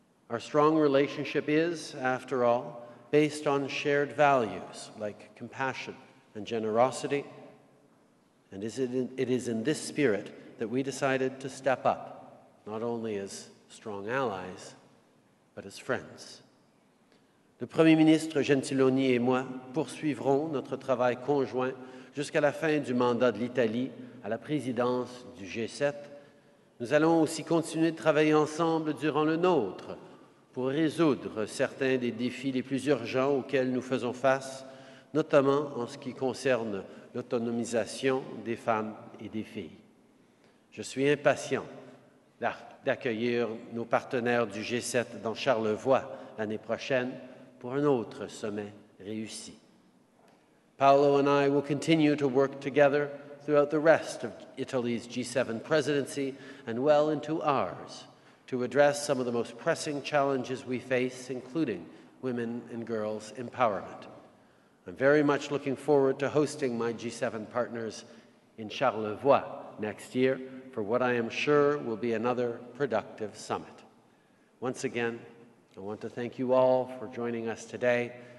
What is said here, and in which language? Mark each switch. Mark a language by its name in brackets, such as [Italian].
[English] Our strong relationship is, after all, based on shared values like compassion and generosity, and it is in this spirit that we decided to step up, not only as strong allies, but as friends. [French] Le Premier ministre Gentiloni et moi poursuivrons notre travail conjoint jusqu'à la fin du mandat de l'Italie à la présidence du G7. Nous allons aussi continuer de travailler ensemble durant le nôtre, pour résoudre certains des défis les plus urgents auxquels nous faisons face, notamment en ce qui concerne l'autonomisation des femmes et des filles. Je suis impatient d'accueillir nos partenaires du G7 dans Charlevoix l'année prochaine pour un autre sommet réussi. [English] Paolo and I will continue to work together throughout the rest of Italy's G7 presidency and well into ours, to address some of the most pressing challenges we face, including women and girls' empowerment. I'm very much looking forward to hosting my G7 partners in Charlevoix next year for what I am sure will be another productive summit. Once again, I want to thank you all for joining us today